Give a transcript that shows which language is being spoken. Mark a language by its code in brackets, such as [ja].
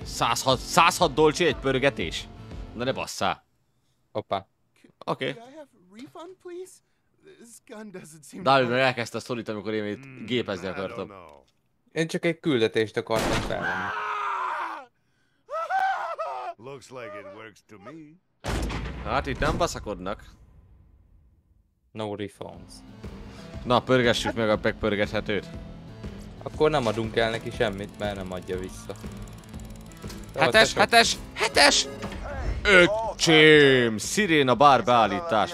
[hu] 106 dolcsi egy pörgetés. Na ne basszál. Hoppá. [en] Oké. Refund, please? This gun doesn't seem. [hu] Dávid meg elkezdte szólítani, amikor én itt gépezni akartam. Én csak egy küldetést akartam felvenni. [en] Looks like it works to me. [hu] Hát itt nem baszakodnak. [en] No refunds. [hu] Na, pörgessük meg a megpörgethetőt. Akkor nem adunk el neki semmit, mert nem adja vissza. Hetes, hetes, hetes! Öcsém! Sziréna bár beállítás.